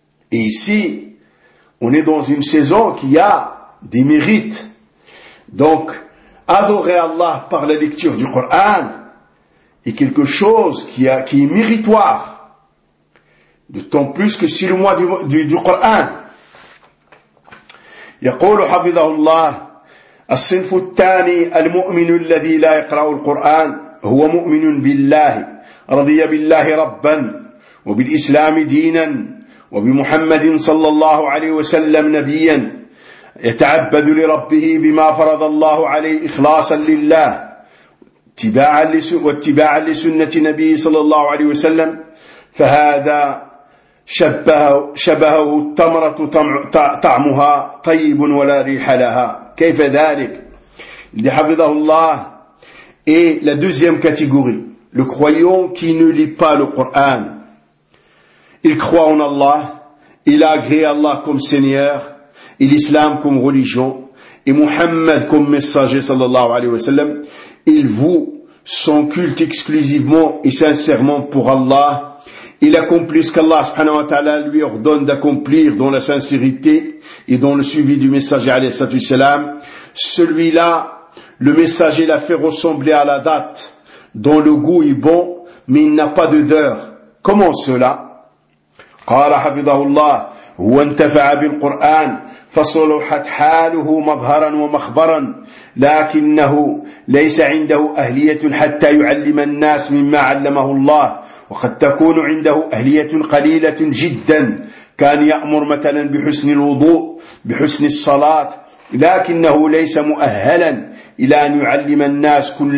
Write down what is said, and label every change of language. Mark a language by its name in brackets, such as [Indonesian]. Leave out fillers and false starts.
[French] Et ici, on est dans une saison qui a des mérites. Donc, adorer Allah par la lecture du Coran est quelque chose qui est méritoire. D'autant plus que si le mois du Coran. [Arabic] يقول حفظه الله الصنف الثاني المؤمن الذي لا يقرأ القرآن هو مؤمن بالله رضي بالله ربا وبالإسلام دينا وبمحمد صلى الله عليه وسلم نبيا يتعبد لربه بما فرض الله عليه إخلاصا لله واتباعا لسنة نبيه صلى الله عليه وسلم فهذا شبهه التمرة طعمها طيب ولا ريح لها كيف ذلك اللي حفظه الله [French] et la deuxième catégorie le croyant qui ne lit pas le Coran. Il croit en Allah, il a agréé Allah comme Seigneur, et l'Islam comme religion, et Muhammad comme messager, sallallahu alayhi wa sallam. Il voue son culte exclusivement et sincèrement pour Allah. Il accomplit ce qu'Allah, subhanahu wa ta'ala, lui ordonne d'accomplir dans la sincérité et dans le suivi du messager, alayhi wa sallam. Celui-là, le messager l'a fait ressembler à la date, dont le goût est bon, mais il n'a pas d'odeur. Comment cela? قال حفظه الله هو انتفع بالقرآن فصلحت حاله مظهرا ومخبرا لكنه ليس عنده أهلية حتى يعلم الناس مما علمه الله وقد تكون عنده أهلية قليلة جدا كان يأمر مثلا بحسن الوضوء بحسن الصلاة لكنه ليس مؤهلا إلى أن يعلم الناس